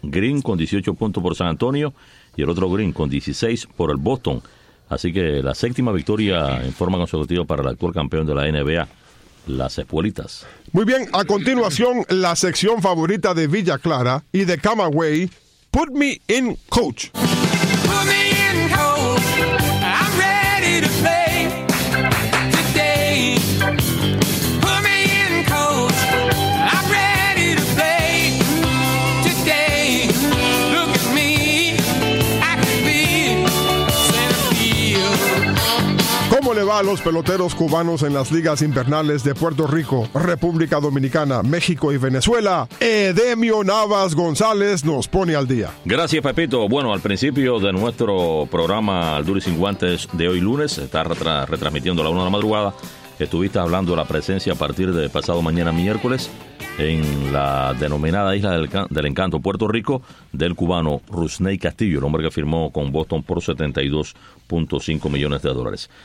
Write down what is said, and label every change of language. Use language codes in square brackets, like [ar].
[es] Green con 18 puntos por San Antonio y el otro Green con 16 por el Boston. Así que la séptima victoria en forma consecutiva para el actual campeón de la NBA, las Espuelitas. Muy bien, a continuación, la sección favorita de Villa Clara y de Camagüey, Put Me In Coach. [en] Put me in coach, I'm ready to play today. Put me in coach, I'm ready to play today. Look at me, I can be centerfield. [es] ¿Cómo le va a los peloteros cubanos en las ligas invernales de Puerto Rico, República Dominicana, México y Venezuela? Edemio Navas González nos pone al día. Gracias, Pepito. Bueno, al principio de nuestro programa Al Duro y Sin Guantes de hoy lunes, está retransmitiendo a la 1 de la madrugada, estuviste hablando de la presencia a partir de pasado mañana miércoles en la denominada Isla del Encanto, Puerto Rico, del cubano Rusney Castillo, el hombre que firmó con Boston por 72.5 millones de dólares.